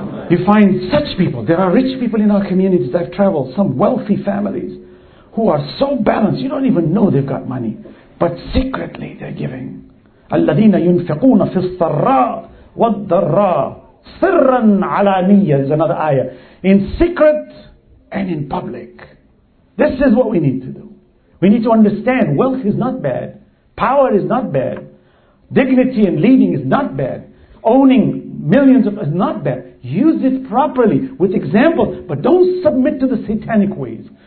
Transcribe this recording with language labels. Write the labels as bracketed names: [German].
[English] You find such people. There are rich people in our communities. I've traveled, some wealthy families who are so balanced, you don't even know they've got money, but secretly they're giving. [Arabic] الَّذِينَ يُنْفِقُونَ فِي السَّرَّاءِ وَالضَّرَّاءِ سِرًّا عَلَانِيَّ [English] is another ayah. In secret and in public. This is what we need to do. We need to understand wealth is not bad. Power is not bad. Dignity and leading is not bad. Owning millions of is not bad. Use it properly with examples, but don't submit to the satanic ways.